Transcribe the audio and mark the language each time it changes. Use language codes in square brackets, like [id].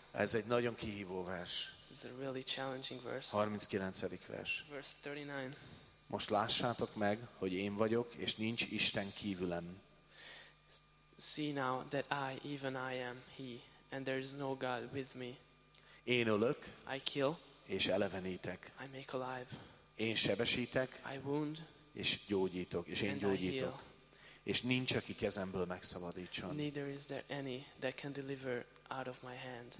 [hu] Ez egy nagyon kihívó vers. [en] This is a really challenging verse. [hu] 39. vers. [en] Verse 39. [hu] Most lássátok meg, hogy én vagyok, és nincs Isten kívülem. [en] See now that I, even I am He, and there is no God with me. [hu] Én ölök, [en] I kill, [hu] és elevenítek. [en] I make alive. [hu] Én sebesítek, [en] I wound, [hu] és gyógyítok, és én gyógyítok. És nincs, aki kezemből megszabadítson. [en] Neither is there any that can deliver out of my hand.